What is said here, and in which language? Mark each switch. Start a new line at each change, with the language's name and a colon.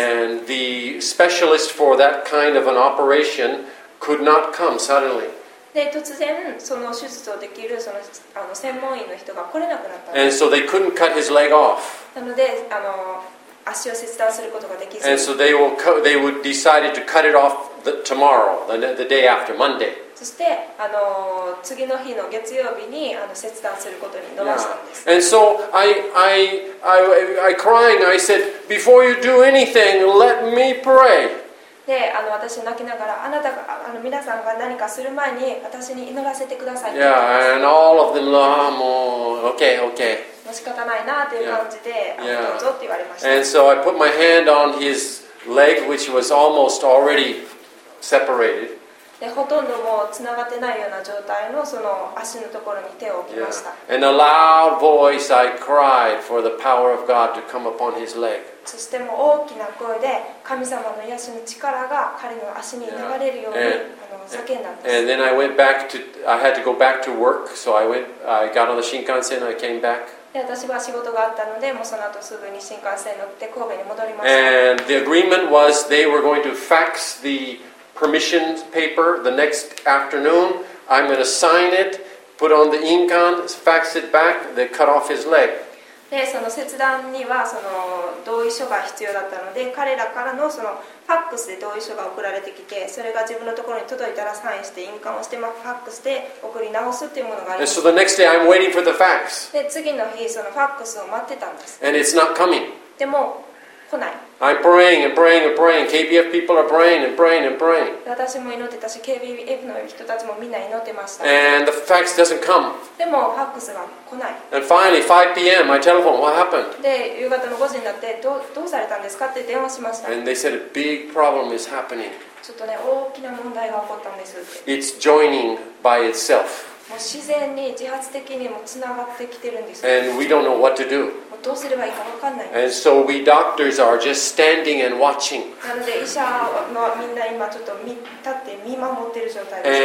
English: And the specialist for that kind of an operation could not come suddenly.
Japanese: で、突然その手術をできるその、あの専門医の人が来れなくなったんです。
English: And so they couldn't cut his leg off.
Japanese: なので、あの、足を切断することができず。
English: And so they would decided to cut it off tomorrow, the day after Monday.
Japanese: そして、あの、次の日の月曜日に、あの、切断することに伸ばしたんです。
English: Yeah. And so I crying, I said, before you do anything, let me pray.
Japanese: で、あの、私泣きながら、あなたが、あの、皆さんが何かする前に私に祈らせてください。
English: Yeah, and all of them, oh, okay, okay.
Japanese: 仕方ないなという感じで、
English: yeah.
Japanese: あの、どうぞって言われました。
English: And so I put my hand on his leg, which was almost already separated.
Japanese: で、ほとんどもうつながってないような状態のその足のところに手を置きました。
English: Yeah. In a loud voice, I cried for the power of God to come upon his leg.
Japanese: そしても大きな声で神様の癒しの力が彼の足に流れるように、yeah.
English: and,
Japanese: 叫んだんです。
English: And then I went back to, I had to go back to work, so I got on the Shinkansen, I came back.
Japanese: で、私は仕事があったので、もうその後すぐに新幹線乗って神戸に戻りました。
English: And the agreement was they were going to fax the permission paper the next afternoon. I'm going to sign it, put on the inkan, fax it back, they cut off his leg.
Japanese: で、その切断にはその同意書が必要だったので、彼らから の, そのファックスで同意書が送られてきて、それが自分のところに届いたらサインして印鑑をして、まあ、ファックスで送り直すというものがありました
English: So the next day I'm waiting for the fax.
Japanese: で、次の日そのファックスを待ってたんです。
English: And it's not coming.
Japanese: でも来ない。
English: I'm praying and praying and praying. KBF people are praying and praying and praying.
Japanese: 私も祈ってたし、KBF の人たちもみんな祈ってました。
English: And the fax doesn't come.
Japanese: でもファックスが来ない。
English: And finally, 5 p.m. I telephone. What happened?
Japanese: で、夕方の5時になって、どうされたんですかって電話しました。
English: And they said a big problem is happening.
Japanese: ちょっとね、大きな問題が起こったんです。
English: It's joining by itself.
Japanese: もう自然に自発的にもつながってきてるんです。
English: And we don't know what to do.
Japanese: どうすればいいか分かんない。
English: And so we doctors are just standing and watching.
Japanese: なので医者のみんな今ちょっと立って見守ってる状態です。